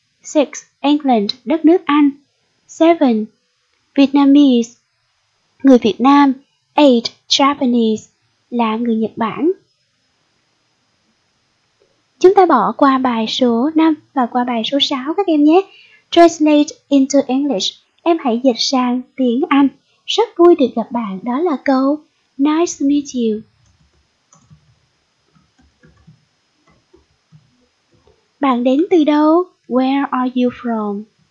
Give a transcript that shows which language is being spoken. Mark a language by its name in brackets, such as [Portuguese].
[Vietnamese] Six, England, đất nước Anh. Seven, Vietnamese, người Việt Nam. Eight, Japanese, là người Nhật Bản. Chúng ta bỏ qua bài số 5 và qua bài số 6 các em nhé. [English] Translate into English. [Vietnamese] Em hãy dịch sang tiếng Anh. Rất vui được gặp bạn. Đó là câu [English] nice to meet you. [Vietnamese] Bạn đến từ đâu? [English] Where are you from?